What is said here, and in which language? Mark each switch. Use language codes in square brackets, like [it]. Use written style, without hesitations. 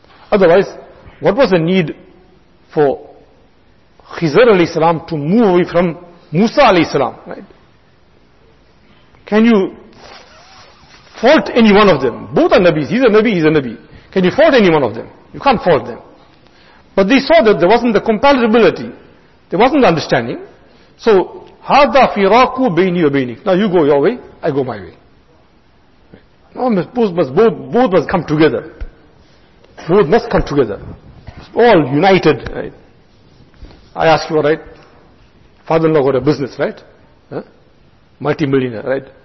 [en] Otherwise, what was the need for Khizr alayhi salam to move away from Musa alayhi salam? Right? Can you fault any one of them? Both are Nabis. He's a Nabi. Can you fault any one of them? You can't fault them. But they saw that there wasn't the compatibility. There wasn't the understanding. So, [ar] هَذَا فِرَاقُ بَيْنِي وَبَيْنِكَ. [en] Now you go your way, I go my way. No, both must come together. Both must come together. All united. Right? I ask you, right? Father-in-law got a business, right? Huh? Multi-millionaire, right?